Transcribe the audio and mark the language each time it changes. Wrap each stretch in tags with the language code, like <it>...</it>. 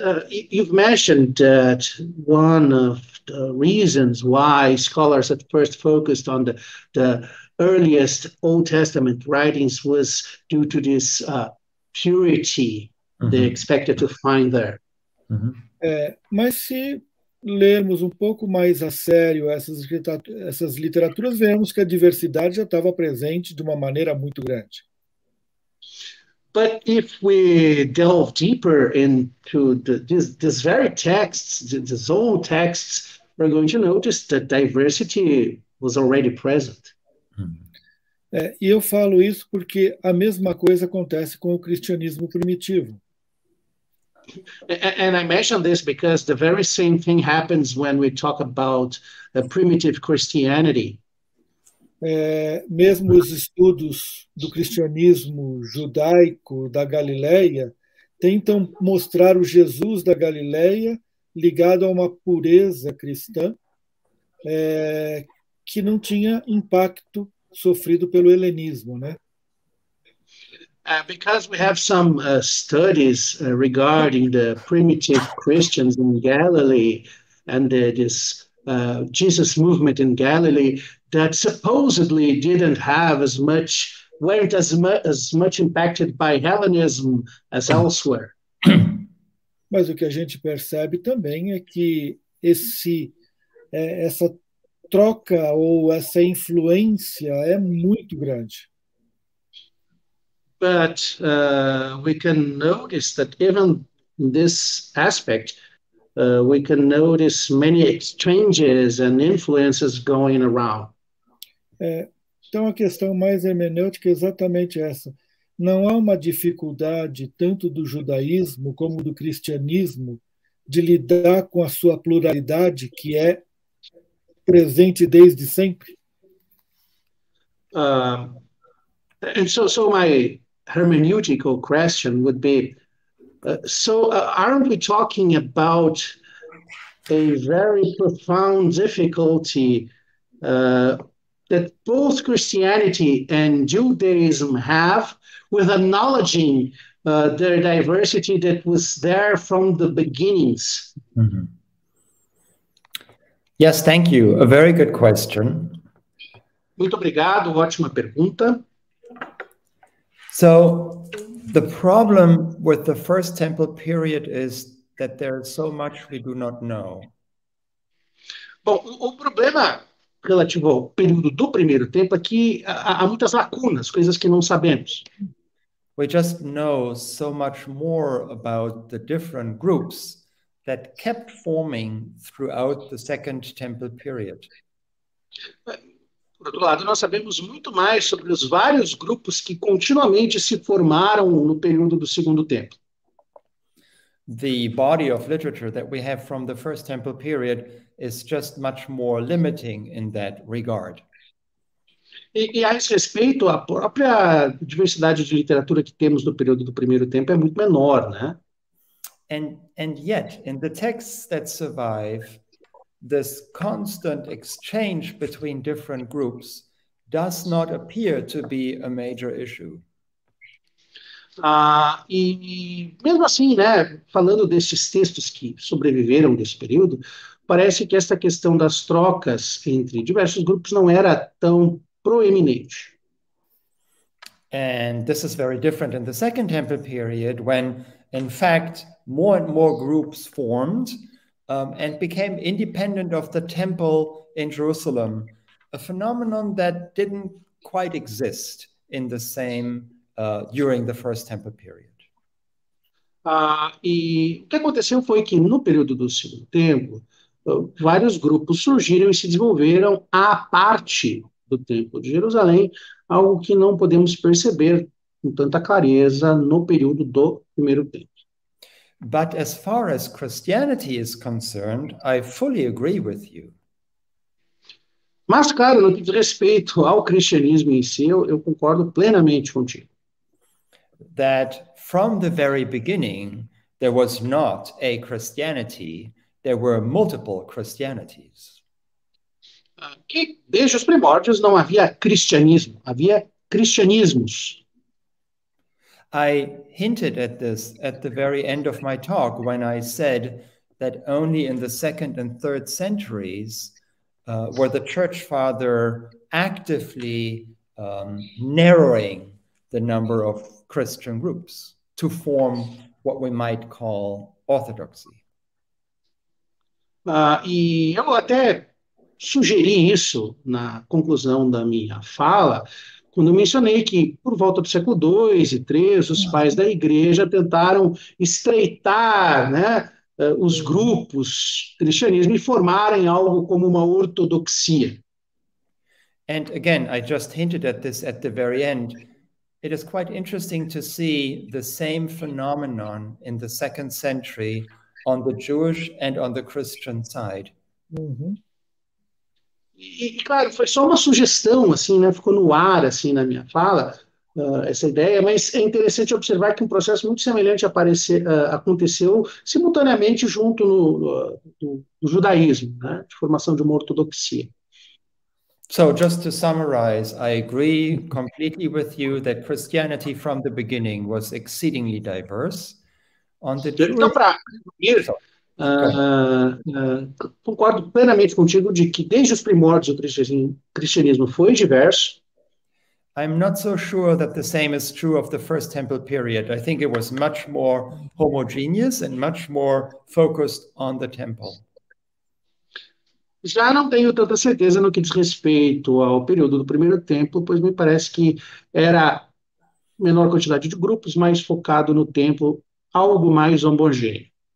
<en>You've mentioned that one of the reasons why scholars at first focused on the earliest Old Testament writings was due to this purity they expected to find there.</en> <pt>Mas se lermos um pouco mais a sério essas literaturas, vemos que a diversidade já estava presente de uma maneira muito grande.</pt> <en>But if we delve deeper into these very texts, these old texts, we're going to notice that diversity was already present.</en> <pt>E eu falo isso porque a mesma coisa acontece com o cristianismo primitivo.</pt> <en>And I mention this because the very same thing happens when we talk about primitive Christianity.</en> <pt>mesmo os estudos do cristianismo judaico da Galileia tentam mostrar o Jesus da Galileia ligado a uma pureza cristã que não tinha impacto sofrido pelo helenismo, né?</pt> <en>Because we have some studies regarding the primitive Christians in Galilee and this Jesus movement in Galilee that supposedly didn't have as much, weren't as much impacted by Hellenism as elsewhere.</en> <pt>Mas o que a gente percebe também é que essa troca ou essa influência é muito grande.</pt> <en>But we can notice that even in this aspect, we can notice many exchanges and influences going around.</en> <pt>Então, a questão mais hermenêutica é exatamente essa. Não há uma dificuldade tanto do judaísmo como do cristianismo de lidar com a sua pluralidade, que é presente desde sempre?</pt> <en>So my hermeneutical question would be, aren't we talking about a very profound difficulty that both Christianity and Judaism have with acknowledging their diversity that was there from the beginnings? Mm-hmm. Yes, thank you. A very good question.</en> <pt>Muito obrigado, ótima pergunta.</pt> <en>So, the problem with the First Temple period is that there is so much we do not know.</en> <pt>Bom, o problema relativo ao período do primeiro tempo é que há muitas lacunas, coisas que não sabemos.</pt> <en>We just know so much more about the different groups that kept forming throughout the Second Temple period.</en> <pt>Por outro lado, nós sabemos muito mais sobre os vários grupos que continuamente se formaram no período do Segundo Templo.</pt> <en>The body of literature that we have from the First Temple period is just much more limiting in that regard.</en> <pt>E a esse respeito, a própria diversidade de literatura que temos no período do Primeiro Templo é muito menor, né?</pt> <en>And yet, in the texts that survive, this constant exchange between different groups does not appear to be a major issue.</en> <pt>E mesmo assim, né, falando destes textos que sobreviveram desse período, parece que esta questão das trocas entre diversos grupos não era tão proeminente.</pt> <en>And this is very different in the Second Temple period, when, in fact, more and more groups formed and became independent of the temple in Jerusalem, a phenomenon that didn't quite exist in the same during the First Temple period.</en> <pt>E o que aconteceu foi que no período do Segundo Templo, vários grupos surgiram e se desenvolveram à parte do Templo de Jerusalém, algo que não podemos perceber com tanta clareza no período do Primeiro Templo.</pt> <en>But as far as Christianity is concerned, I fully agree with you.</en> <pt>Mas, claro, no que diz respeito ao cristianismo em si, eu concordo plenamente contigo.</pt> <en>That from the very beginning, there was not a Christianity, there were multiple Christianities.</en> <pt>Que desde os primórdios não havia cristianismo, havia cristianismos.</pt> <en>I hinted at this at the very end of my talk when I said that only in the second and third centuries were the church father actively narrowing the number of Christian groups to form what we might call orthodoxy.</en> <pt>E eu até sugeri isso na conclusão da minha fala, quando eu mencionei que, por volta do século II e III, os pais da igreja tentaram estreitar, né, os grupos do cristianismo e formarem algo como uma ortodoxia.</pt> <en>And again, I just hinted at this at the very end. It is quite interesting to see the same phenomenon in the second century on the Jewish and on the Christian side. Uhum.</en> <pt>E claro, foi só uma sugestão, assim, né? Ficou no ar, assim, na minha fala, essa ideia, mas é interessante observar que um processo muito semelhante aconteceu simultaneamente junto no judaísmo, né? De formação de uma ortodoxia.</pt> <en>So, just to summarize, I agree completely with you that Christianity from the beginning was exceedingly diverse. On the</en> <pt>Então,</pt> <en>Jewish.</en> <pt>para concluir, concordo plenamente contigo de que desde os primórdios o cristianismo foi diverso.</pt> <en>I'm not so sure that the same is true of the First Temple period. I think it was much more homogeneous and much more focused on the temple.</en> <pt>Já não tenho tanta certeza no que diz respeito ao período do primeiro templo, pois me parece que era menor quantidade de grupos, mais focado no templo, algo mais homogêneo.</pt>